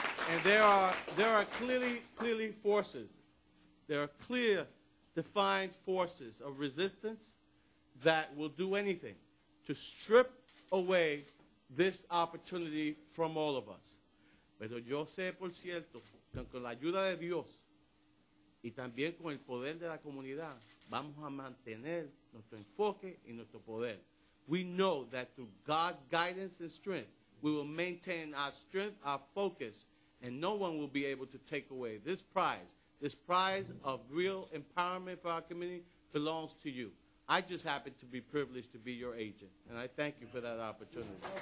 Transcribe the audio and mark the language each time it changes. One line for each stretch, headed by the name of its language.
English: And there are clearly forces. There are clear, defined forces of resistance that will do anything to strip away this opportunity from all of us.
Spanish: Pero yo sé, por cierto, que con la ayuda de Dios y también con el poder de la comunidad, vamos a mantener nuestro enfoque y nuestro poder.
English: We know that through God's guidance and strength, we will maintain our strength, our focus, and no one will be able to take away this prize of real empowerment for our community belongs to you. I just happen to be privileged to be your agent, and I thank you for that opportunity.